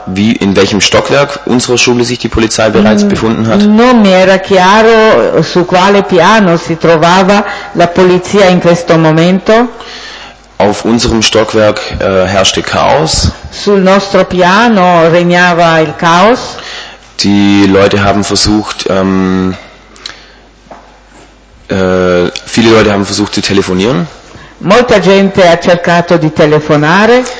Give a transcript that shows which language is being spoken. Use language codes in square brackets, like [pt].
[de] wie in welchem Stockwerk unserer Schule sich die Polizei bereits befunden hat. [it] Non era chiaro su quale piano si trovava la polizia in questo momento. [de] Auf unserem Stockwerk herrschte Chaos. [it] Sul nostro piano regnava il caos. [de] Die Leute haben versucht, viele Leute haben versucht zu telefonieren. [it] Molta gente ha cercato di telefonare.